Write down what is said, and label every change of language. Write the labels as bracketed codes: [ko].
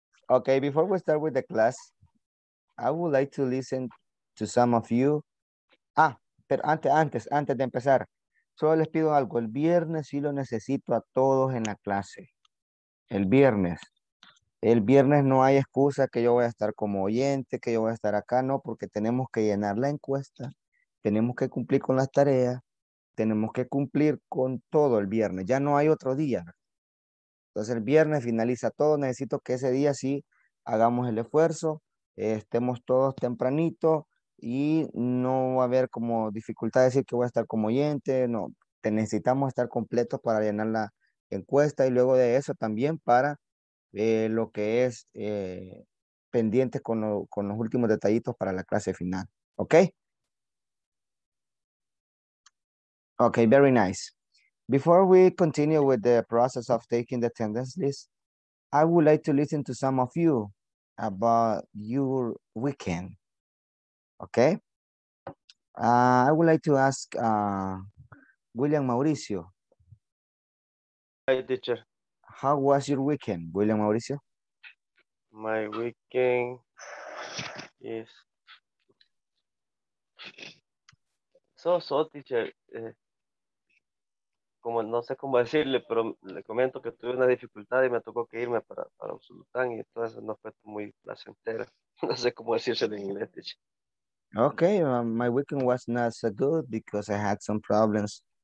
[en] Okay, before we start with the class, I would like to listen to some of you. [es] Ah, pero antes de empezar, solo les pido algo. El viernes sí lo necesito a todos en la clase. El viernes no hay excusa que yo voy a estar como oyente, que yo voy a estar acá, no, porque tenemos que llenar la encuesta, tenemos que cumplir con las tareas, tenemos que cumplir con todo el viernes, ya no hay otro día. Entonces el viernes finaliza todo, necesito que ese día sí hagamos el esfuerzo, estemos todos tempranito y no va a haber como dificultad decir que voy a estar como oyente, no, necesitamos estar completos para llenar la encuesta y luego de eso también para lo que es pendientes con los últimos detallitos para la clase final. ¿Ok? [en] Ok, very nice. Before we continue with the process of taking the attendance list, I would like to listen to some of you about your weekend. Ok? I would like to ask William Mauricio. Hi, teacher. How was your weekend, William Mauricio? My weekend is so, teacher. [es] Como no sé cómo decirle, pero le comento que tuve una dificultad y me tocó que irme para Usulután y entonces no fue muy placentera. No sé cómo decirse en inglés, teacher. [en] Okay, my weekend was not so good because I had some problems.